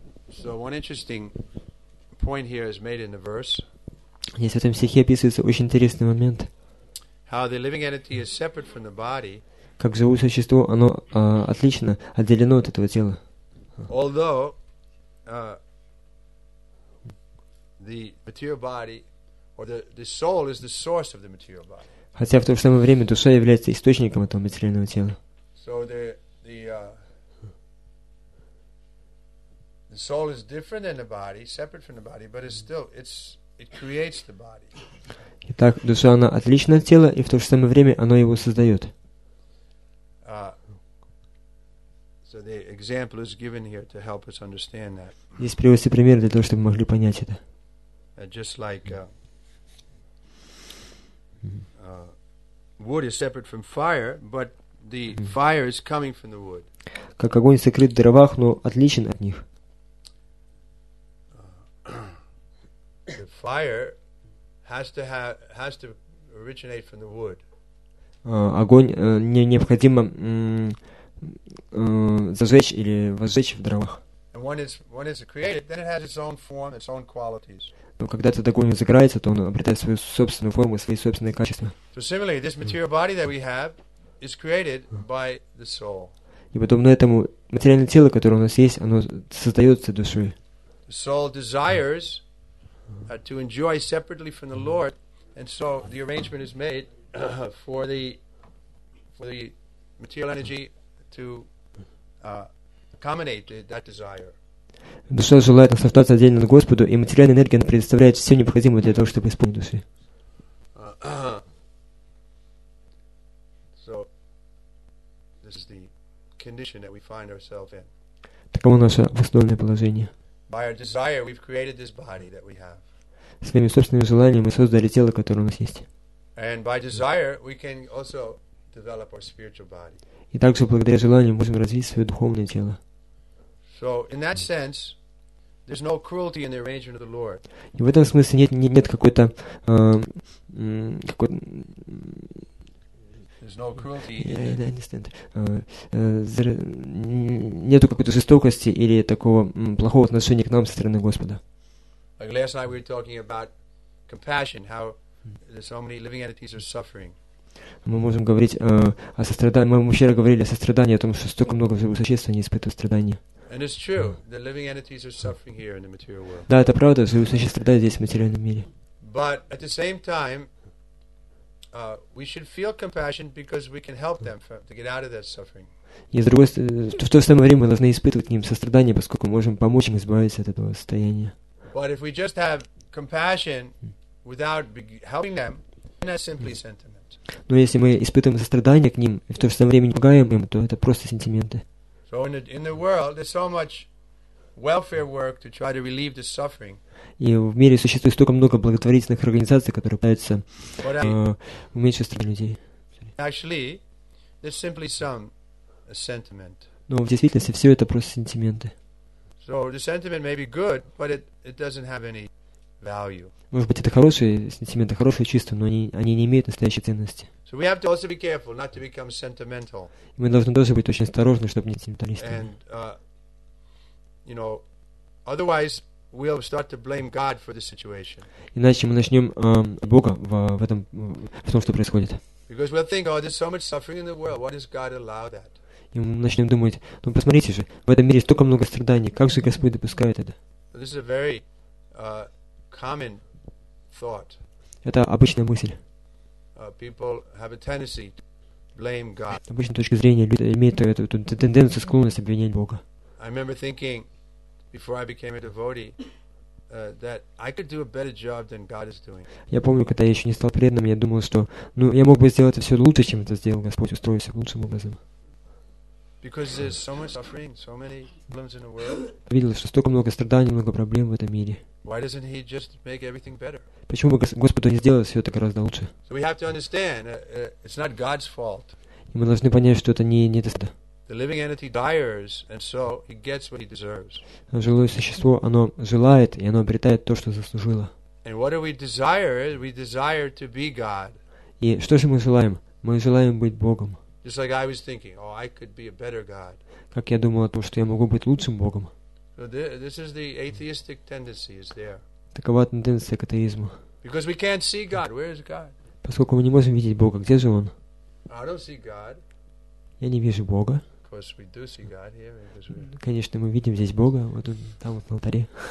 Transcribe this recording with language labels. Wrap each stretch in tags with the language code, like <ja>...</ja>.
<en>So one interesting point here is made in the verse.</en> <ru>Здесь в этом стихе описывается очень интересный момент.</ru> <en>How the living entity is separate from the body.</en> <ru>Как живое существо, оно отлично отделено от этого тела.</ru> <en>Although the material body or the soul is the source of the material body.</en> <ru>Хотя в то же самое время душа является источником этого материального тела.</ru> <en>So the soul is different than the body, separate from the body, but it creates the body.</en> <ru>Итак, душа она отлична от тела, и в то же самое время оно его создает.</ru> <en>So the example is given here to help us understand that.</en> <ru>Здесь приводится пример для того, чтобы мы могли понять это.</ru> <en>Just like wood is separate from fire, but the fire is coming from the wood.</en> <ru>Как огонь сокрыт в дровах, но отличен от них.</ru> <en>The fire has to originate from the wood.</en> <ru>Огонь необходимо зажечь или возжечь в дровах.</ru> <en>And when it's created, then it has its own form, its own qualities.</en> <ru>Но когда этот огонь загорается, то он обретает свою собственную форму, свои собственные качества.</ru> <en>So similarly, this material body that we have is created by the soul.</en> <ru>И подобно этому материальное тело, которое у нас есть, оно создается душой.</ru> <en>Soul desires to enjoy separately from the Lord, and so the arrangement is made for the material energy to accommodate that desire.</en> <ru>Душа желает наслаждаться отдельно от Господа, и материальная энергия предоставляет все необходимое для того, чтобы исполнить души.</ru> <en>So this is the condition that we find ourselves in.</en> <ru>Таково наше основное положение.</ru> <en>By our desire, we've created this body that we have.</en> <ru>Своими собственными желаниями мы создали тело, которое у нас есть.</ru> <en>And by desire, we can also develop our spiritual body.</en> <ru>И также благодаря желанию можем развить свое духовное тело.</ru> <en>So in that sense, there's no cruelty in the arrangement of the Lord.</en> <ru>И в этом смысле нет какой-то нету какой-то жестокости или такого плохого отношения к нам со стороны Господа.</ru> <en>Like last night we were talking about compassion, how there's so many living entities are suffering.</en> <ru>Мы можем говорить о сострадании. Мы вчера говорили о сострадании, о том, что столько много живых существ, они испытывают страдания.</ru> <en>And it's true, the living entities are suffering here in the material world.</en> <ru>Да, это правда, живые существа страдают здесь в материальном мире.</ru> <en>But at the same time, we should feel compassion because we can help them to get out of that suffering.</en> <ru>И с другой стороны, в то же самое время мы должны испытывать к ним сострадание, поскольку мы можем помочь им избавиться от этого состояния.</ru> <en>But if we just have compassion without helping them, then that's simply sentiment.</en> <ru>Но если мы испытываем сострадание к ним и в то же самое время не помогаем им, то это просто сентименты.</ru> <en>So in the world, there's so much welfare work to try to relieve the suffering.</en> <ru>И в мире существует столько много благотворительных организаций, которые пытаются уменьшить страдания людей.</ru> <en>Actually, there's simply some sentiment.</en> <ru>Но в действительности все это просто сентименты.</ru> <en>So the sentiment may be good, but it doesn't have any value.</en> <ru>Может быть, это хорошие сентименты, хорошие чувства, но они не имеют настоящей ценности.</ru> <en>So we have to also be careful not to become sentimental.</en> <ru>Мы должны тоже быть очень осторожны, чтобы не сентименталистами.</ru> <en>And you know, otherwise we'll start to blame God for the situation.</en> <ru>Иначе мы начнем Бога в этом в том, что происходит.</ru> <en>Because we'll think, oh, there's so much suffering in the world. Why does God allow that?</en> <ru>И мы начнем думать, ну посмотрите же, в этом мире столько много страданий, как же Господь допускает это?</ru> <en>This is a very common thought.</en> <ru>Это обычная мысль.</ru> <en>People have a tendency to blame God.</en> <ru>С обычной точки зрения люди имеют эту тенденцию, склонность обвинять Бога.</ru> <en>I remember thinking before I became a devotee that I could do a better job than God is doing.</en> <ru>Я помню, когда я еще не стал преданным, я думал, что, ну, я мог бы сделать все лучше, чем это сделал Господь, устроился лучшим образом.</ru> <en>Because there's so much suffering, so many problems in the world.</en> <ru>Видел, что столько много страданий, много проблем в этом мире.</ru> <en>Why doesn't He just make everything better?</en> <ru>Почему бы Господу не сделать все это гораздо лучше?</ru> <en>So we have to understand it's not God's fault.</en> <ru>И мы должны понять, что это не Господа.</ru> <en>The living entity desires, and so he gets what he deserves.</en> <ru>Живое существо, оно желает, и оно обретает то, что заслужило.</ru> <en>And what do we desire? We desire to be God.</en> <ru>И что же мы желаем? Мы желаем быть Богом.</ru> <en>Just like I was thinking, oh, I could be a better God.</en> <ru>Как я думал о том, что я могу быть лучшим Богом.</ru> <en>So this is the atheistic tendency is there.</en> <ru>Такова тенденция к атеизму.</ru> <en>Because we can't see God. Where is God?</en> <ru>Поскольку мы не можем видеть Бога, где же Он?</ru> <en>I don't see God.</en> <ru>Я не вижу Бога.</ru> <en>We do see God here,</en> <ru>конечно, мы видим здесь Бога, вот он, там вот на алтаре.</ru>